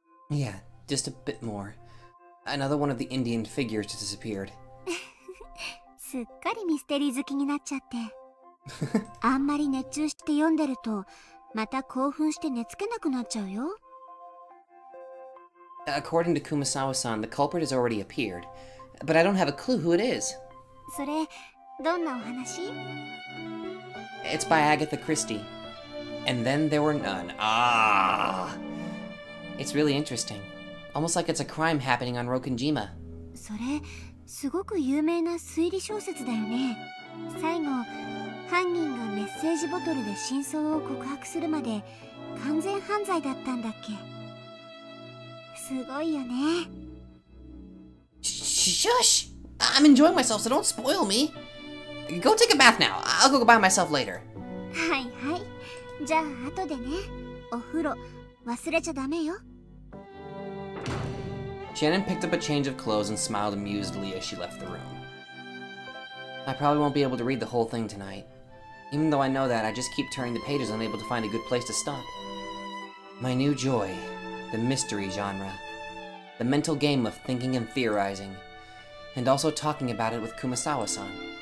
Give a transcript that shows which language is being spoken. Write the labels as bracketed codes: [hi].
[en] Yeah, just a bit more. Another one of the Indian figures disappeared. [ja] すっかりミステリー好きになっちゃって。あんまり熱中して読んでるとまた興奮して寝つけなくなっちゃうよ。 [en] According to Kumasawa-san, the culprit has already appeared. But I don't have a clue who it is. [ja] それ、どんなお話？ [en] It's by Agatha Christie. And then there were none. Ah! It's really interesting. Almost like it's a crime happening on Rokenjima. [ja] それ、すごく有名な推理小説だよね。最後、犯人がメッセージボトルで真相を告白するまで完全犯罪だったんだっけ。すごいよね。 [en] Shush! I'm enjoying myself, so don't spoil me! Go take a bath now. I'll go by myself later. [ja] はいはい。じゃあ後でね。お風呂忘れちゃダメよ。 [en] Shannon picked up a change of clothes and smiled amusedly as she left the room. I probably won't be able to read the whole thing tonight. Even though I know that, I just keep turning the pages, unable to find a good place to stop. My new joy, the mystery genre. The mental game of thinking and theorizing, and also talking about it with Kumasawa-san.